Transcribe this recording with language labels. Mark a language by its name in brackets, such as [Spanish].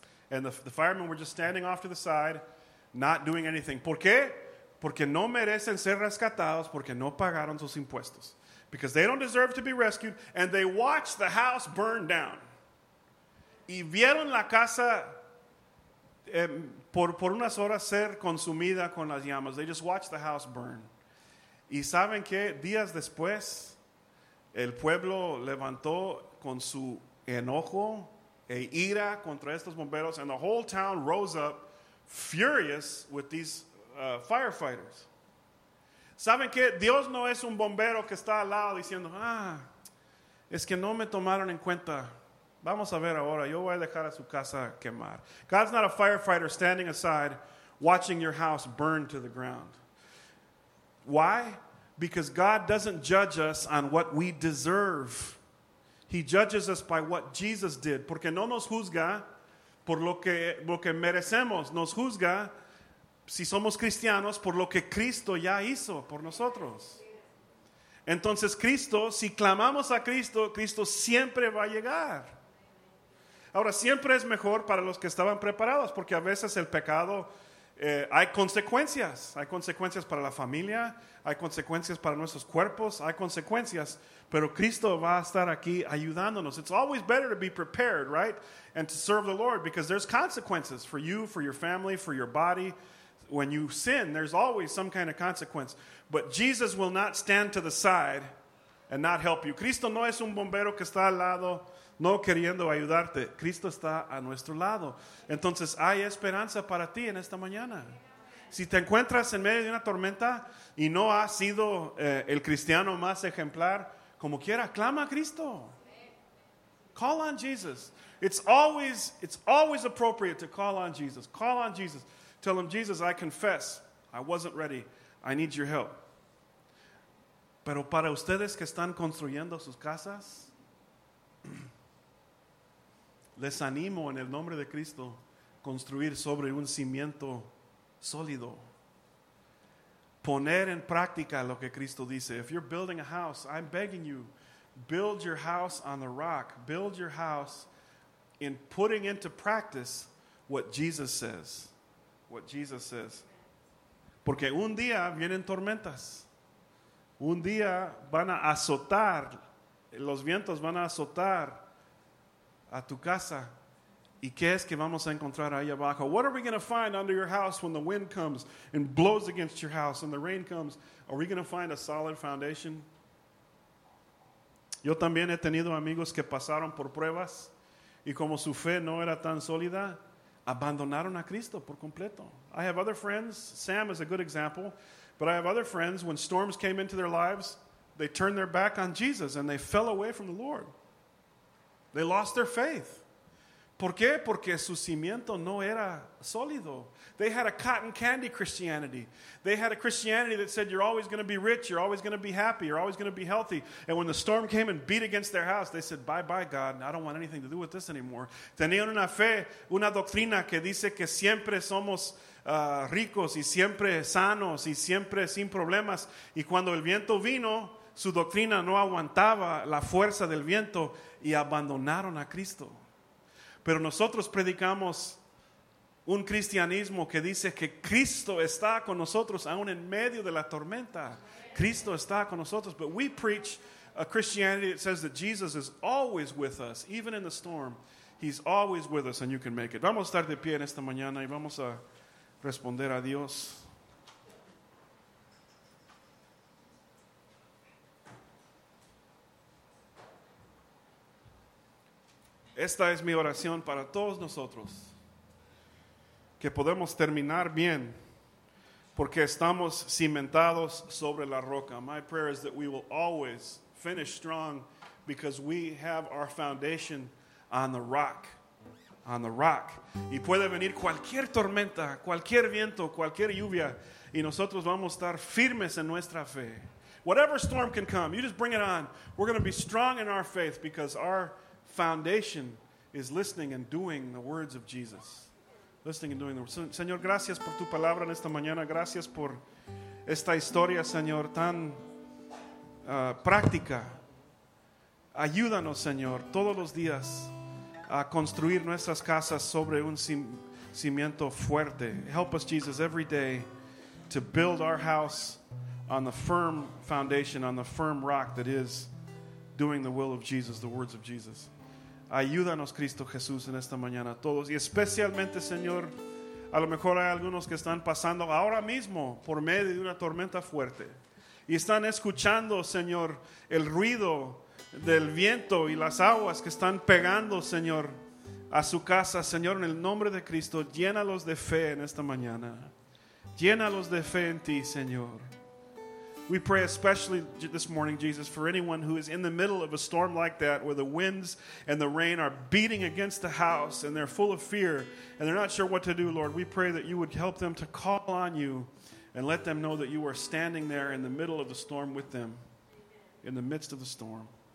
[English] And the firemen were just standing off to the side, not doing anything. [Spanish] ¿Por qué? Porque no merecen ser rescatados porque no pagaron sus impuestos. [English] Because they don't deserve to be rescued. And they watched the house burn down. [Spanish] Y vieron la casa por unas horas ser consumida con las llamas. [English] They just watched the house burn. [Spanish] Y saben que días después, el pueblo levantó con su enojo e ira contra estos bomberos. [English] And the whole town rose up furious with these firefighters. [Spanish] ¿Saben qué? Dios no es un bombero que está al lado diciendo, es que no me tomaron en cuenta. Vamos a ver ahora, yo voy a dejar a su casa quemar. [English] God's not a firefighter standing aside watching your house burn to the ground. Why? Because God doesn't judge us on what we deserve. He judges us by what Jesus did. [Spanish] Porque no nos juzga por lo que merecemos. Nos juzga si somos cristianos, por lo que Cristo ya hizo por nosotros. Entonces Cristo, si clamamos a Cristo, Cristo siempre va a llegar. Ahora, siempre es mejor para los que estaban preparados, porque a veces el pecado, hay consecuencias. Hay consecuencias para la familia, hay consecuencias para nuestros cuerpos, hay consecuencias. Pero Cristo va a estar aquí ayudándonos. [English] It's always better to be prepared, right? And to serve the Lord, because there's consequences for you, for your family, for your body. When you sin, there's always some kind of consequence. But Jesus will not stand to the side and not help you. [Spanish] Cristo no es un bombero que está al lado no queriendo ayudarte. Cristo está a nuestro lado. Entonces, hay esperanza para ti en esta mañana. Si te encuentras en medio de una tormenta y no has sido el cristiano más ejemplar, como quiera, clama a Cristo. [English] Call on Jesus. It's always appropriate to call on Jesus. Call on Jesus. Tell him, Jesus, I confess, I wasn't ready. I need your help. [Spanish] Pero para ustedes que están construyendo sus casas, les animo en el nombre de Cristo construir sobre un cimiento sólido. Poner en práctica lo que Cristo dice. [English] If you're building a house, I'm begging you, build your house on the rock. Build your house in putting into practice what Jesus says. What Jesus says. [Spanish] Porque un día vienen tormentas. Un día van a azotar. Los vientos van a azotar a tu casa. ¿Y qué es que vamos a encontrar ahí abajo? [English] What are we going to find under your house when the wind comes and blows against your house and the rain comes? Are we going to find a solid foundation? [Spanish] Yo también he tenido amigos que pasaron por pruebas y como su fe no era tan sólida, abandonaron a Cristo por completo. [English] I have other friends, Sam is a good example, but I have other friends when storms came into their lives, they turned their back on Jesus and they fell away from the Lord. They lost their faith. [Spanish] ¿Por qué? Porque su cimiento no era sólido. [English] They had a cotton candy Christianity. They had a Christianity that said you're always going to be rich, you're always going to be happy, you're always going to be healthy. And when the storm came and beat against their house, they said, bye bye God, I don't want anything to do with this anymore. [Spanish] Tenían una fe, una doctrina que dice que siempre somos ricos y siempre sanos y siempre sin problemas. Y cuando el viento vino, su doctrina no aguantaba la fuerza del viento y abandonaron a Cristo. Pero nosotros predicamos un cristianismo que dice que Cristo está con nosotros aún en medio de la tormenta. Cristo está con nosotros. [English] But we preach a Christianity that says that Jesus is always with us, even in the storm. He's always with us and you can make it. [Spanish] Vamos a estar de pie en esta mañana y vamos a responder a Dios. Esta es mi oración para todos nosotros, que podemos terminar bien, porque estamos cimentados sobre la roca. [English] My prayer is that we will always finish strong because we have our foundation on the rock, on the rock. [Spanish] Y puede venir cualquier tormenta, cualquier viento, cualquier lluvia, y nosotros vamos a estar firmes en nuestra fe. [English] Whatever storm can come, you just bring it on. We're going to be strong in our faith because our foundation is listening and doing the words of Jesus. Listening and doing the words. [Spanish] Señor, gracias por tu palabra en esta mañana. Gracias por esta historia, Señor, tan práctica. Ayúdanos, Señor, todos los días a construir nuestras casas sobre un cimiento fuerte. [English] Help us, Jesus, every day to build our house on the firm foundation, on the firm rock that is doing the will of Jesus, the words of Jesus. [Spanish] Ayúdanos, Cristo Jesús, en esta mañana a todos. Y especialmente, Señor, a lo mejor hay algunos que están pasando ahora mismo por medio de una tormenta fuerte. Y están escuchando, Señor, el ruido del viento y las aguas que están pegando, Señor, a su casa. Señor, en el nombre de Cristo, llénalos de fe en esta mañana. Llénalos de fe en ti, Señor. [English] We pray especially this morning, Jesus, for anyone who is in the middle of a storm like that where the winds and the rain are beating against the house and they're full of fear and they're not sure what to do, Lord. We pray that you would help them to call on you and let them know that you are standing there in the middle of the storm with them, in the midst of the storm.